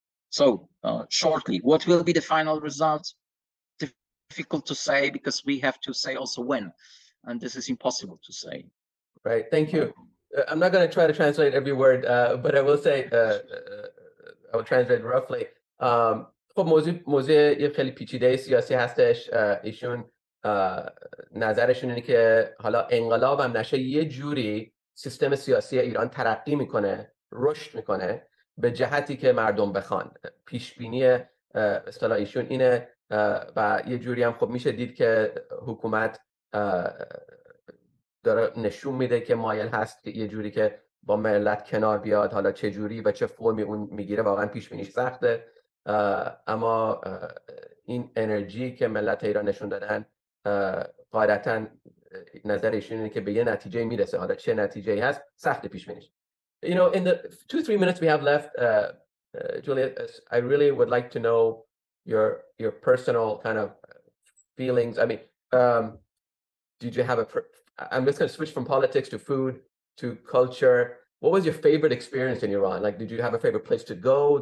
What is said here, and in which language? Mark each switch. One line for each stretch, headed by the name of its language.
English: So, shortly, what will be the final result? Difficult to say, because we have to say also when, and this is impossible to say. Right. Thank you. I'm not going to try to translate every word, but I will say I will translate roughly.
Persian: خب موضوع یه خیلی پیچیده سیاسی هستش. ایشون نظرشون اینه که حالا انقلاب هم نشه، یه جوری سیستم سیاسی ایران ترقی میکنه، رشد میکنه به جهتی که مردم بخوان. پیشبینی اصطلاح ایشون اینه، و یه جوری هم خب میشه دید که حکومت داره نشون میده که مایل هست یه جوری که با ملت کنار بیاد. حالا چه جوری و چه فرمی اون میگیره واقعا پیشبینیش سخته، اما این انرژی که ملت ایران نشون دادن قاعدتا نظرشون اینه که به یه نتیجه میرسه. حالا چه نتیجه ای هست سخت پیش بینیش.
English: You know, in the 2-3 minutes we have left, Julius, I really would like to know your personal kind of feelings. I mean, did you have I'm just going to switch from politics to food to culture. What was your favorite experience in Iran? Like, did you have a favorite place to go?